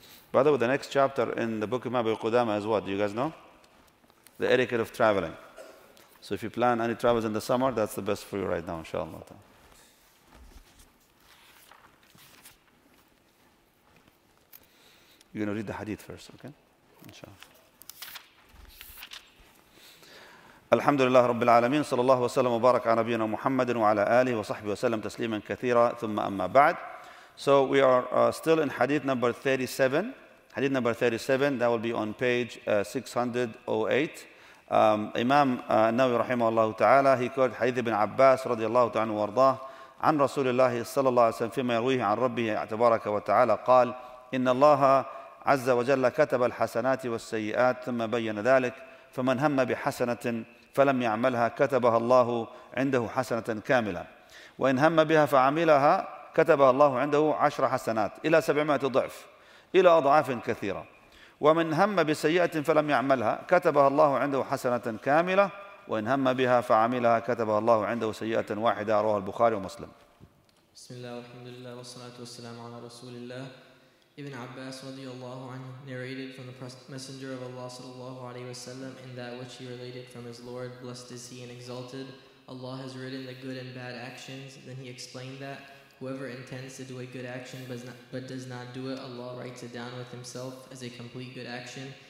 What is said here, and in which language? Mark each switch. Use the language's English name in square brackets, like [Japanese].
[English] By the way, the next chapter in the book of Mabu Qudama is what? Do you guys know? The etiquette of traveling. So if you plan any travels in the summer, that's the best for you right now, inshallah. You're going to read the hadith first, okay? Inshallah. [Arabic] الحمد لله رب العالمين صلى الله وسلم وبارك على نبينا محمد وعلى آله وصحبه وسلم تسليما كثيرا ثم أما بعد. [English] So we are still in hadith number 37. Hadith number 37, that will be on page 608. [Arabic] Imam Nawawi رحمه الله تعالى, [English] he quoted [Arabic] حديث ابن عباس رضي الله عنه وارضاه عن رسول الله صلى الله عليه وسلم فيما يرويه عن ربه تبارك وتعالى قال إن الله عز وجل كتب الحسنات والسيئات ثم بين ذلك فمن هم بحسنة فلم يعملها كتبها الله عنده حسنة كاملة وإن هم بها فعملها كتبها الله عنده 10 حسنات إلى 700 ضعف إلى أضعاف كثيرة ومن هم بسيئة فلم يعملها كتبها الله عنده حسنة كاملة وإن هم بها فعملها كتبها الله عنده سيئة واحدة رواه البخاري ومسلم. بسم الله والحمد لله والصلاة والسلام على رسول الله. [English] Ibn Abbas radiyallahu anhu narrated from the Messenger of Allah sallallahu alayhi wa sallam in that which he related from his Lord, blessed is he and exalted. Allah has written the good and bad actions. Then he explained that whoever intends to do a good action but does not do it, Allah writes it down with himself as a complete good action.